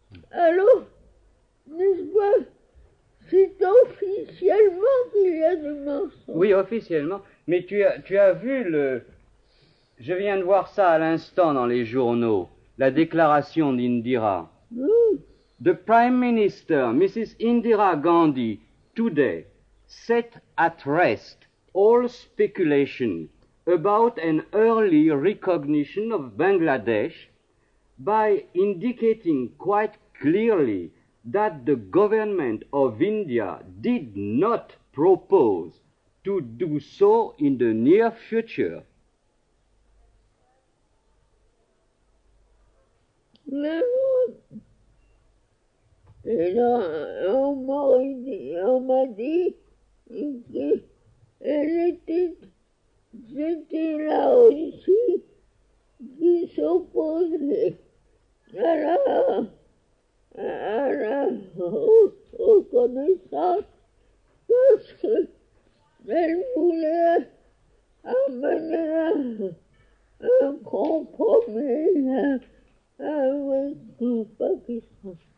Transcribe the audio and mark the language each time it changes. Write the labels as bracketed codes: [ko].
[fr] Alors, n'est-ce pas? C'est officiellement qu'il y a des Oui, mensonges. officiellement. Mais tu as vu le. Je viens de voir ça à l'instant dans les journaux. La déclaration d'Indira. [en] The Prime Minister, Mrs. Indira Gandhi, today, set at rest all speculation about an early recognition of Bangladesh by indicating quite clearly that the government of India did not propose to do so in the near future. [fr] Mais et là, on m'a dit qu'elle était là aussi, qui s'opposait à la reconnaissance, parce que elle voulait amener un compromis avec le Pakistan.